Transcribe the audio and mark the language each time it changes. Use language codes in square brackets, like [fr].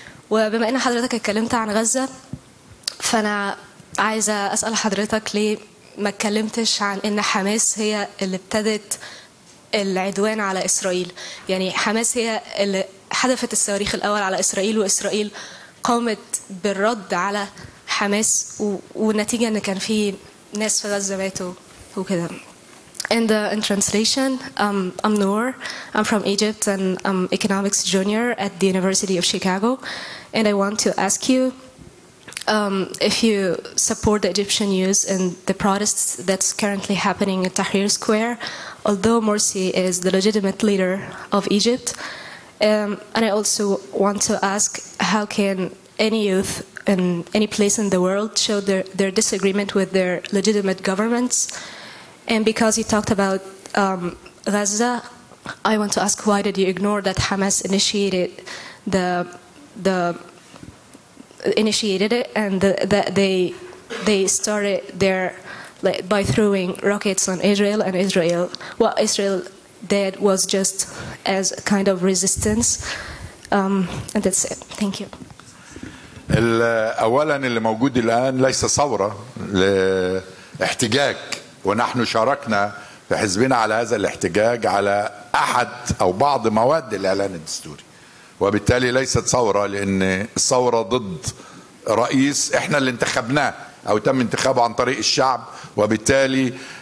[ar] وبما ان حضرتك اتكلمت عن غزة، فانا عايزة اسأل حضرتك ليه ما اتكلمتش عن ان حماس هي اللي ابتدت العدوان على اسرائيل. يعني حماس هي اللي حذفت الصواريخ الاول على اسرائيل، واسرائيل قامت بالرد على حماس، والنتيجة ان كان في ناس في غزة ماتوا وكده. [en] In translation, I'm Noor. I'm from Egypt and I'm economics junior at the University of Chicago. And I want to ask you if you support the Egyptian news and the protests that's currently happening in Tahrir Square, although Morsi is the legitimate leader of Egypt. And I also want to ask, how can any youth in any place in the world show their disagreement with their legitimate governments? And because you talked about Gaza, I want to ask, why did you ignore that Hamas initiated it and that they started their, like, by throwing rockets on Israel, and Israel, well, Israel that was just as a kind of resistance. And that's it. Thank you. [ar] أولا، اللي موجود الآن ليس ثورة، لاحتجاج، ونحن شاركنا في حزبنا على هذا الاحتجاج على أحد أو بعض مواد الإعلان الدستوري، وبالتالي ليست ثورة، لأن الثورة ضد رئيس إحنا اللي انتخبناه أو تم انتخابه عن طريق الشعب، وبالتالي